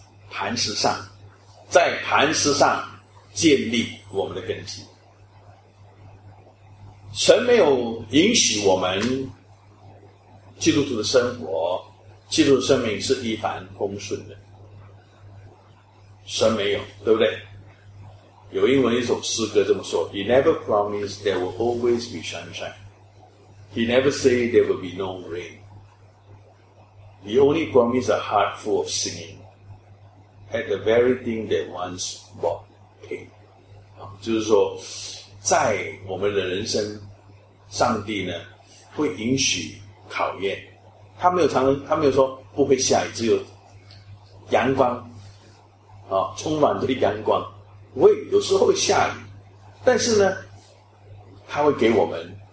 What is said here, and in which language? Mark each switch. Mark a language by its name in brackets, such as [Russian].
[Chinese] 磐石上，在磐石上建立我们的根基。神没有允许我们基督徒的生活，基督徒的生命是一帆风顺的，神没有，对不对？有英文一首诗歌这么说， [English] He never promised there will always be sunshineHe never say there will be no rain. He only promised a heart full of singing at the very thing that once brought pain. [Chinese] 就是说，在我们的人生，上帝呢会允许考验。他没有说不会下雨，只有阳光，啊，充满着阳光。会有时候会下雨，但是呢，他会给我们